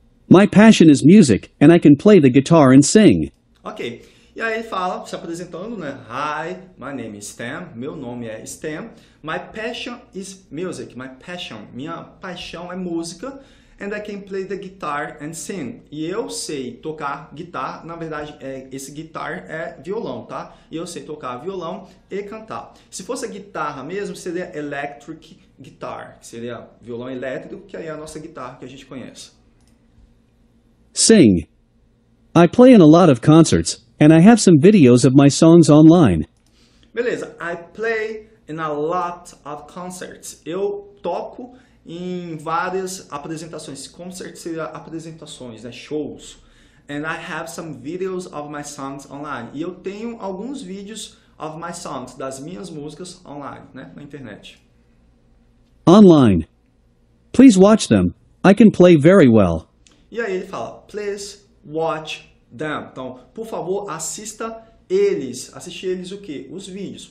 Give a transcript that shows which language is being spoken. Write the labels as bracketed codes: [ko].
[en] My passion is music, and I can play the guitar and sing. [pt] Ok. E aí ele fala, se apresentando, né? [en] Hi, my name is Stan. [pt] Meu nome é Stan. [en] My passion is music. My passion. [pt] Minha paixão é música. [en] And I can play the guitar and sing. [pt] E eu sei tocar guitar. Na verdade, esse guitar é violão, tá? E eu sei tocar violão e cantar. Se fosse a guitarra mesmo, seria electric guitar. Seria violão elétrico, que aí é a nossa guitarra que a gente conhece. [en] Sing. I play in a lot of concerts. And I have some videos of my songs online. Beleza. I play in a lot of concerts. [pt] Eu toco em várias apresentações, concerts seria apresentações, né? Shows. [en] And I have some videos of my songs online. [pt] E eu tenho alguns vídeos [en] of my songs, [pt] das minhas músicas online, né? Na internet. [en] Online. Please watch them. I can play very well. [pt] E aí ele fala, [en] please watch them. [pt] Então, por favor, assista eles. Assistir eles o quê? Os vídeos.